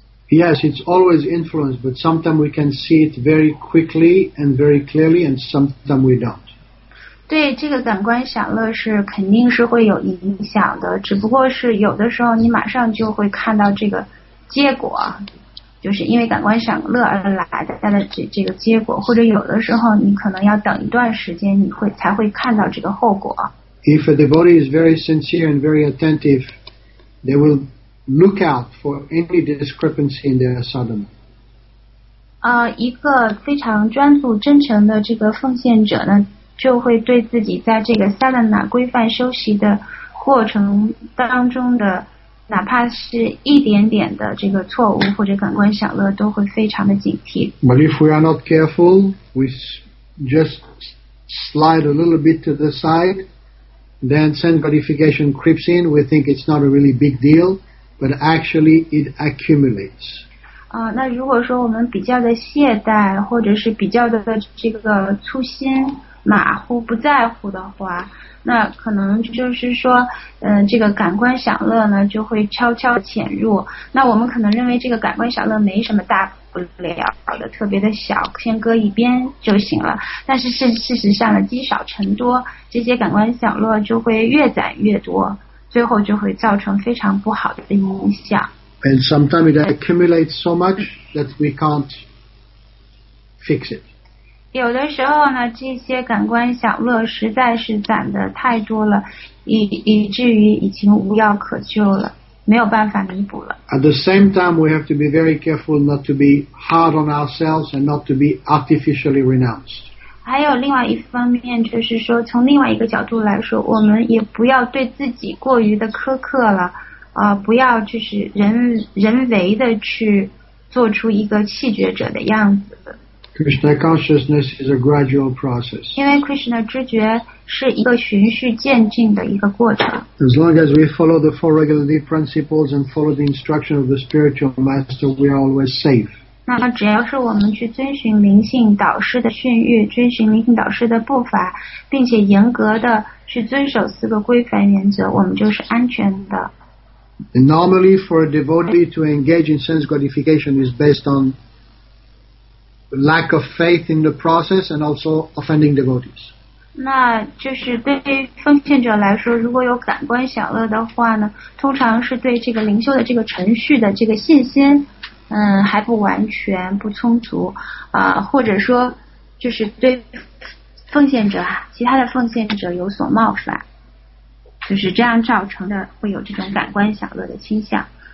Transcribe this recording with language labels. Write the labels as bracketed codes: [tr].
[en] Yes, it's always influenced, but sometimes we can see it very quickly and very clearly, and sometimes we don't. [zh] 对，这个感官享乐是肯定是会有影响的，只不过是有的时候你马上就会看到这个结果，就是因为感官享乐而来的这个结果，或者有的时候你可能要等一段时间，你会才会看到这个后果。 [en] If a devotee is very sincere and very attentive, they will look out for any discrepancy in their sadhana. [zh] 一个非常专注真诚的这个奉献者呢，就会对自己在这个萨曼那规范修习的过程当中的哪怕是一点点的这个错误或者感官享乐都会非常的警惕。 [en] But if we are not careful, we just slide a little bit to the side, then sense gratification creeps in. We think it's not a really big deal, but actually it accumulates. [zh] 那如果说我们比较的懈怠或者是比较的这个粗心马虎不在乎的话，那可能就是说这个感官享乐呢就会悄悄潜入，那我们可能认为这个感官享乐没什么大不了的，特别的小，先搁一边就行了。但是事实上呢，积少成多，这些感官享乐就会越攒越多，最后就会造成非常不好的影响。 [en] And sometimes it accumulates so much that we can't fix it. [zh] 有的时候呢，这些感官享乐实在是攒得太多了，以至于已经无药可救了，没有办法弥补了。 [en] At the same time, we have to be very careful not to be hard on ourselves and not to be artificially renounced. [zh] 还有另外一方面，就是说，从另外一个角度来说，我们也不要对自己过于的苛刻了，不要就是人为的去做出一个气绝者的样子。 [en] Krishna consciousness is a gradual process. [zh] 因为 Krishna 知觉是一个循序渐进的一个过程。 [en] As long as we follow the four regulative principles and follow the instruction of the spiritual master, we are always safe. [zh] 那么只要是我们去遵循灵性导师的训谕，遵循灵性导师的步伐，并且严格的去遵守四个规范原则，我们就是安全的。 [en] And normally, for a devotee to engage in sense gratification is based on. Lack of faith in the process and also offending devotees. [zh] 那就是对于奉献者来说，如果有感官享乐的话呢，通常是对这个灵修的这个程序的这个信心，还不完全不充足，或者说就是对奉献者其他的奉献者有所冒犯，就是这样造成的会有这种感官享乐的倾向。